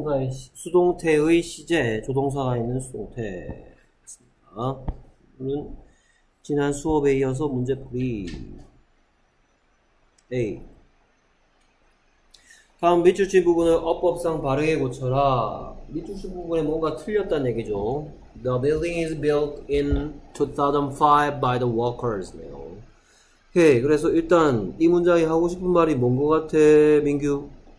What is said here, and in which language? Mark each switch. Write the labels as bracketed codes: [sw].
[ko] 수동태의 시제, 조동사가 있는 수동태입니다. 지난 수업에 이어서 문제풀이. A. 다음 밑줄친 부분을 어법상 바르게 고쳐라. 밑줄친 부분에 뭔가 틀렸다는 얘기죠. [en] The building is built in 2005 by the workers. [ko] 오케이, 그래서 일단 이 문장이 하고 싶은 말이 뭔것 같아, 민규?